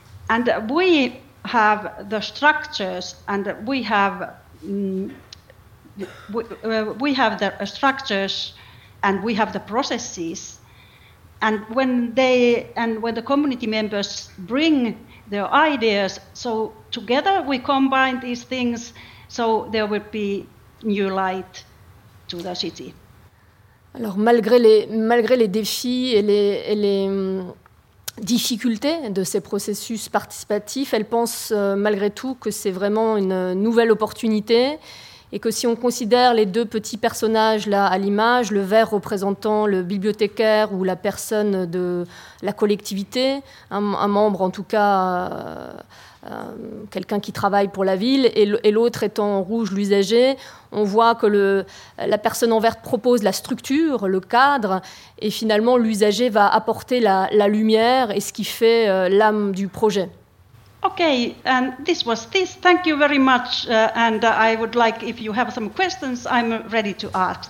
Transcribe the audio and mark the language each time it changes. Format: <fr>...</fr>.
<en>And we have the structures, and we have the processes. And when the community members bring their ideas, so together we combine these things, so there will be new light to the city.</en> <fr>Alors malgré les défis et les difficultés de ces processus participatifs, elle pense malgré tout que c'est vraiment une nouvelle opportunité. Et que si on considère les deux petits personnages là à l'image, le vert représentant le bibliothécaire ou la personne de la collectivité, un membre en tout cas, quelqu'un qui travaille pour la ville, et l'autre étant en rouge, l'usager, on voit que la personne en vert propose la structure, le cadre, et finalement l'usager va apporter la lumière et ce qui fait l'âme du projet.</fr> <en>Okay, and this was this. Thank you very much. And I would like, if you have some questions, I'm ready to ask.</en>